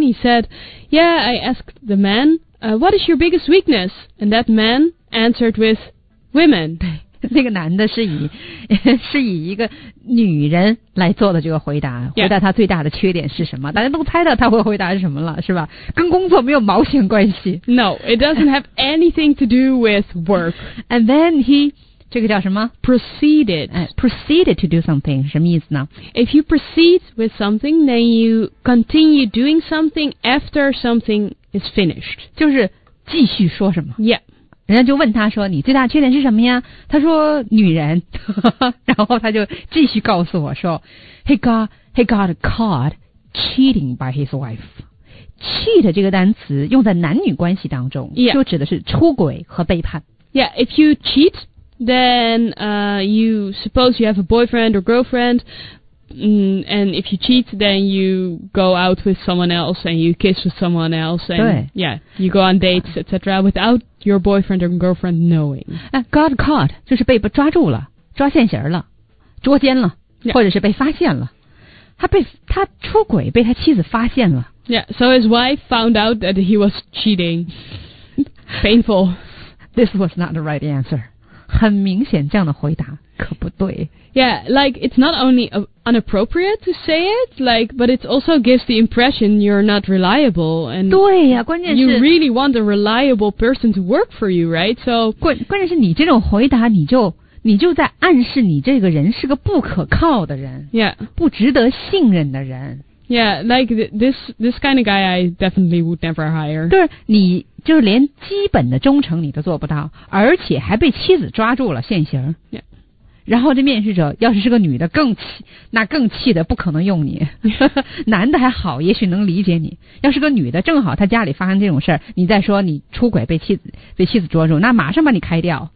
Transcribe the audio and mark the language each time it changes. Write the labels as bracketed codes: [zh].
[en] He said, yeah, I asked the man,what is your biggest weakness? And that man answered with women. [zh] 对，那个男的是以一个女人来做的这个回答、 [en] yeah. [zh] 回答他最大的缺点是什么，大家都猜到他会回答什么了，是吧？跟工作没有毛线关系。 [en] No, it doesn't have anything to do with work. And then he [zh] 这个叫什么 [en] proceeded、 proceeded to do something [zh] 什么意思呢？ [en] If you proceed with something, then you continue doing something after somethingIt's finished. [zh] 就是继续说什么。 [en] Yeah. [zh] 人家就问他说你最大缺点是什么呀，他说女人。然后他就继续告诉我说 [en] He got caught cheating by his wife. [zh] Cheat 这个单词用在男女关系当中、 [en] yeah. [zh] 就指的是出轨和背叛。 [en] Yeah, if you cheat, then you suppose you have a boyfriend or girlfriend,and if you cheat, then you go out with someone else and you kiss with someone else and yeah, you go on dates, etc. without your boyfriend or girlfriend knowing. Got caught [zh] 就是被抓住了，抓现行了，捉奸了、 [en] yeah. [zh] 或者是被发现了，他出轨被他妻子发现了。 [en] Yeah, so his wife found out that he was cheating. Painful. This was not the right answer. [zh] 很明显这样的回答可不对。 [en] Yeah, like, it's not only inappropriate to say it, like, but it also gives the impression you're not reliable. And [zh] 对呀、啊、关键是 [en] You really want a reliable person to work for you, right? So, [zh] 关键是你这种回答你就你就在暗示你这个人是个不可靠的人。 [en] Yeah. [zh] 不值得信任的人。 [en] Yeah, like this kind of guy I definitely would never hire. [zh] 对，你就是连基本的忠诚你都做不到，而且还被妻子抓住了现行。 [en] Yeah. [zh] 然后这面试者要是是个女的更气，那更气的不可能用你。男的还好，也许能理解你。要是个女的，正好她家里发生这种事儿，你再说你出轨被妻子捉住，那马上把你开掉。